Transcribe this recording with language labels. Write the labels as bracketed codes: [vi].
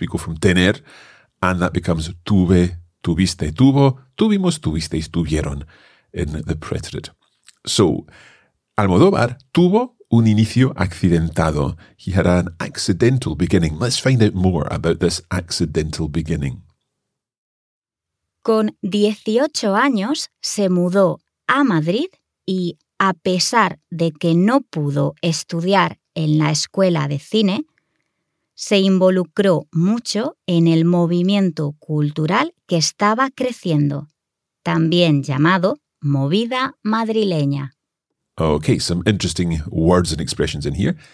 [en] We go from tener and that becomes tuve, tuviste, tuvo, tuvimos, tuvisteis, tuvieron in the preterite. [es] So Almodóvar tuvo un inicio accidentado. [en] He had an accidental beginning. Let's find out more about this accidental beginning. [es] Con 18 años se mudó a Madrid y a pesar de que no pudo estudiar en la escuela de cine, se involucró mucho en el movimiento cultural que estaba creciendo, también llamado Movida Madrileña. [en] Okay, some interesting words and expressions in here.